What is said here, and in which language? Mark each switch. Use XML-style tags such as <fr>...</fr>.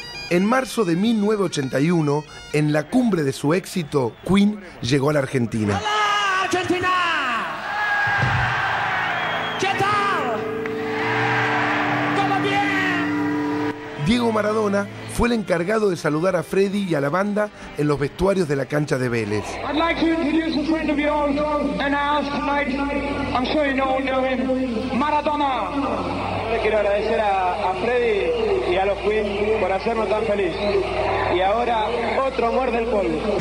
<es>En marzo de 1981, en la cumbre de su éxito, QEN llegó a la Argentina. ¡Hola, Argentina! ¿Qué tal? ¿Todo bien? Diego Maradona fue el encargado de saludar a Freddy y a la banda en los vestuarios de la cancha de Vélez.</es> <en>I'd like to introduce a friend of yours and ask tonight, I'm sure you know him, Maradona.</en> <es>Le quiero agradecer a Freddy y a los Queen por hacernos tan feliz. Y ahora, otro amor del pueblo.</es>